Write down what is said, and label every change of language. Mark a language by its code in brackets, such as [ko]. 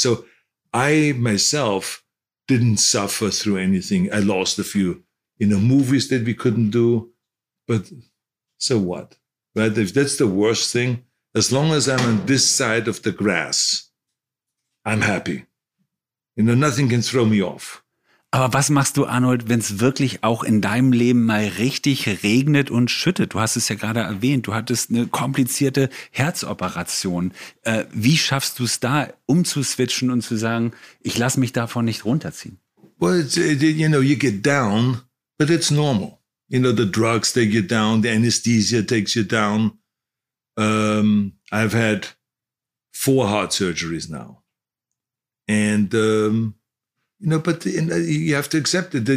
[en] So I myself didn't suffer through anything. I lost a few, movies that we couldn't do, but so what, right? If that's the worst thing, as long as I'm on this side of the grass, I'm happy. You know, nothing can throw me off. [de] Aber was machst du, Arnold, wenn es wirklich auch in deinem Leben mal richtig regnet und schüttet? Du hast es ja gerade erwähnt, du hattest eine komplizierte Herzoperation. Wie schaffst du es da, umzuswitchen und zu sagen, ich lasse mich davon nicht runterziehen? [en] Well, you know, you get down, but it's normal. You know, the drugs take you down, the anesthesia takes you down. I've had 4 heart surgeries now. And, you know, but you have to accept it.